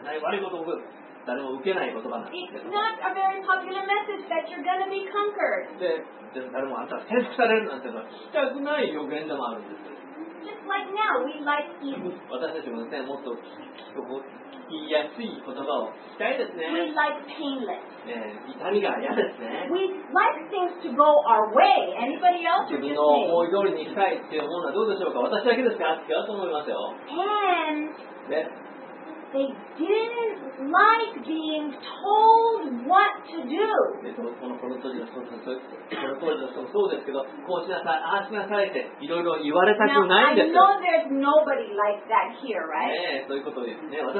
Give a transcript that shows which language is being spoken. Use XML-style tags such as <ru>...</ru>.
<en>It's not a very popular message that you're going to be conquered. Just like now, we like easy.</en> <ja>私たちもですね、もっと聞きやすい言葉を聞きたいですね。</ja> <en>We like painless.</en> <ja>痛みが嫌ですね。</ja> <en>We like things to go our way. Anybody else?</en> <ja>自分の思い通りにしたいっていうものはどうでしょうか。私だけですか。違うと思いますよ。</ja> <en>And they didn't like being told what to do. Now, I know there's nobody like that here, right?</en>